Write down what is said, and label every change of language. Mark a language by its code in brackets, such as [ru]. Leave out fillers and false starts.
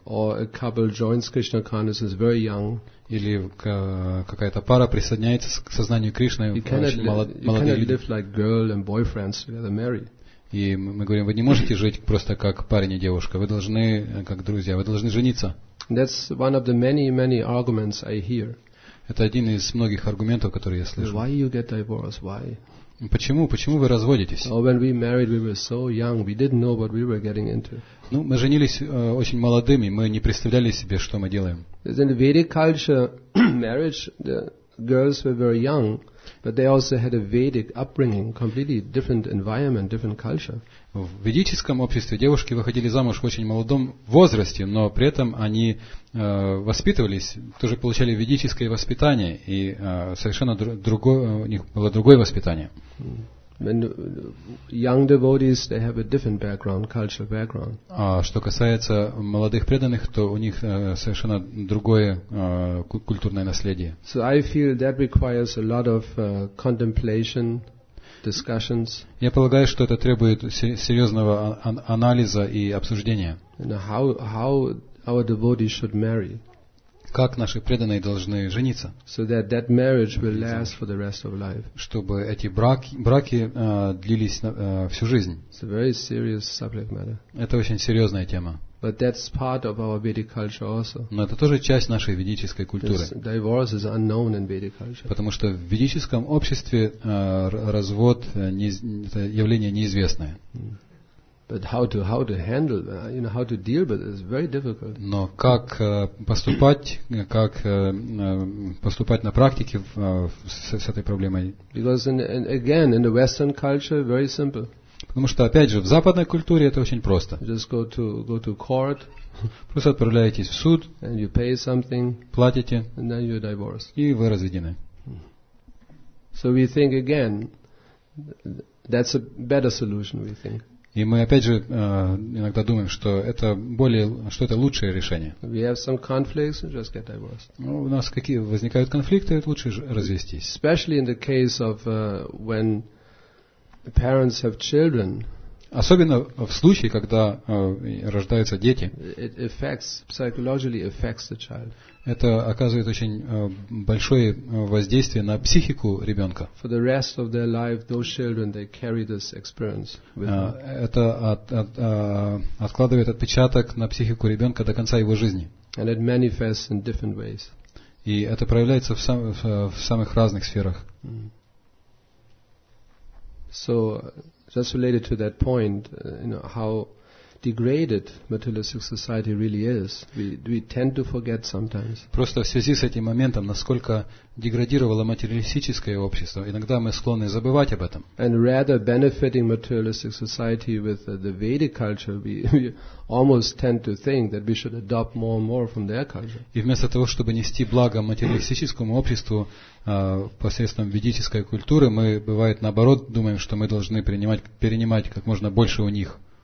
[en] Or a couple joins Krishna consciousness very young. [ru] Или какая-то пара присоединяется к сознанию Кришны в молодые годы. [en] You cannot live like girl and boyfriends together, marry. [ru] И мы говорим, вы не можете жить просто как парень и девушка. Вы должны, как друзья, вы должны жениться. [en] That's one of the many, many arguments I hear. [ru] Это один из многих аргументов, которые я слышу. [en] Why you get divorced? Why? [ru] Почему вы разводитесь? [en] Oh, when we married, we were so young, we didn't know what we were getting into. [ru] Ну, мы женились очень молодыми, мы не представляли себе, что мы делаем. [en] In the Vedic culture, marriage, the girls were very young. But they also had a Vedic upbringing, completely different environment, different culture. [ru] В ведическом обществе девушки выходили замуж в очень молодом возрасте, но при этом они воспитывались, тоже получали ведическое воспитание, и совершенно у них было другое воспитание. [en] When young devotees, they have a different background, cultural background. [ru] А что касается молодых преданных, то у них совершенно другое культурное наследие. [en] So I feel that requires a lot of contemplation, discussions. [ru] Я полагаю, что это требует серьезного анализа и обсуждения. [en] And how our devotees should marry. [ru] Как наши преданные должны жениться, [en] so that marriage will last for the rest of life. [ru] Чтобы эти браки длились всю жизнь. [en] It's a very serious subject matter. [ru] Это очень серьезная тема. [en] But that's part of our Vedic culture also. [ru] Но это тоже часть нашей ведической культуры. [en] This divorce is unknown in Vedic culture. [ru] Потому что в ведическом обществе развод это явление неизвестное. [en] But how to handle, you know, how to deal with it is very difficult. [ru] Но как поступать, как поступать на практике с этой проблемой? [en] Because in the Western culture, very simple. [ru] Потому что опять же в западной культуре это очень просто. [en] You just go to court. [ru] Просто отправляетесь в суд. [en] And you pay something. [ru] Платите. [en] And then you're divorced. [ru] И вы разведены. [en] So we think again, that's a better solution, we think. [ru] И мы опять же иногда думаем, что это лучшее решение. [en] We have some conflicts, just get divorced. [ru] Ну, у нас какие возникают конфликты, лучше развестись. [en] Especially in the case of when parents have children. [ru] Особенно в случае, когда рождаются дети. [en] It affects, psychologically affects the child. [ru] Это оказывает очень большое воздействие на психику ребенка. [en] For the rest of their life, those children, they carry this experience with them. [ru] Это откладывает отпечаток на психику ребенка до конца его жизни. [en] And it manifests in different ways. [ru] И это проявляется в самых разных сферах. [en] So, just related to that point, how degraded materialistic society really is, we tend to forget sometimes. [ru] Просто в связи с этим моментом, насколько деградировало материалистическое общество, иногда мы склонны забывать об этом. [en] And rather benefiting materialistic society with the Vedic culture, we almost tend to think that we should adopt more and more from their culture. [ru] И вместо того, чтобы нести благо материалистическому обществу посредством ведической культуры, мы бывает наоборот думаем, что мы должны перенимать как можно больше у них.